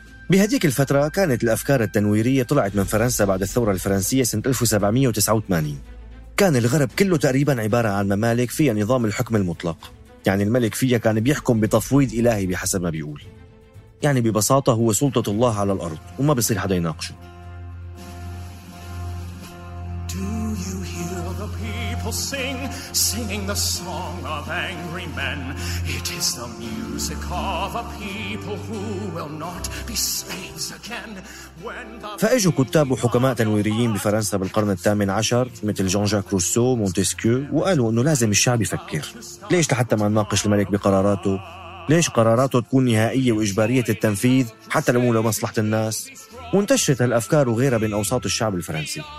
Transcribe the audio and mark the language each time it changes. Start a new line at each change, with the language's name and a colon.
Arabic: بهديك الفترة كانت الأفكار التنويرية طلعت من فرنسا بعد الثورة الفرنسية سنة 1789. كان الغرب كله تقريباً عبارة عن ممالك فيها نظام الحكم المطلق، يعني الملك فيها كان بيحكم بتفويض إلهي بحسب ما بيقول، يعني ببساطة هو سلطة الله على الأرض وما بيصير حدا يناقشه.
English: Do you hear the people sing, singing the song of angry men? It is the music of a people who will not be slaves again.
Arabic: فأجوا كتاب وحكماء تنويريين بفرنسا بالقرن الثامن عشر مثل جان جاك روسو، مونتسكيو، وقالوا أنه لازم الشعب يفكر. ليش لحتى ما نناقش الملك بقراراته؟ ليش قراراته تكون نهائية وإجبارية التنفيذ حتى لو لمصلحة الناس؟ وانتشرت هالأفكار وغيرها بين أوساط الشعب الفرنسي.